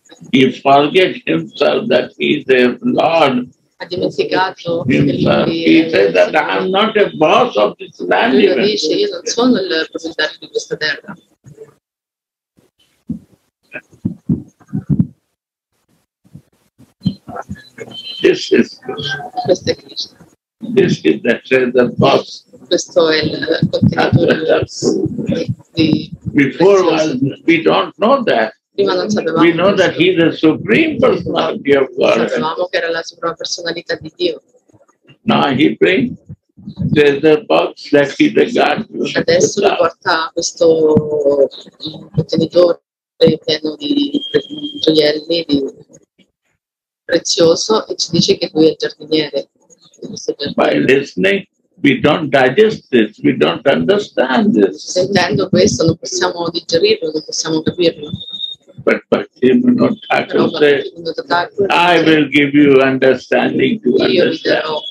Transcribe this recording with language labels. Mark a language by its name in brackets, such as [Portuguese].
[English] He forget himself that he is a lord. [Italian] Ha dimenticato [English] himself. He says that I am not a boss of this land. [Italian] Lui dice, io non sono il proprietario di questa terra. [English] This is Krishna. This is the treasure box. [Italian] Questo è il contenitore. [English] Before we don't know that. [Italian] Prima non sapevamo. [English] We know that he is the supreme personality of God. [Italian] Sapevamo che era la suprema personalità di Dio. [English] Now he brings treasure box that he regards. [Italian] Adesso lo porta questo contenitore pieno di gioielli di prezioso e ci dice che lui è il giardiniere. [English] By listening, we don't digest this, we don't understand this. [Italian] Sentendo questo, non possiamo digerirlo, non possiamo capirlo. [English] But Bhaktivinoda Thakur said, I will give you understanding to understand.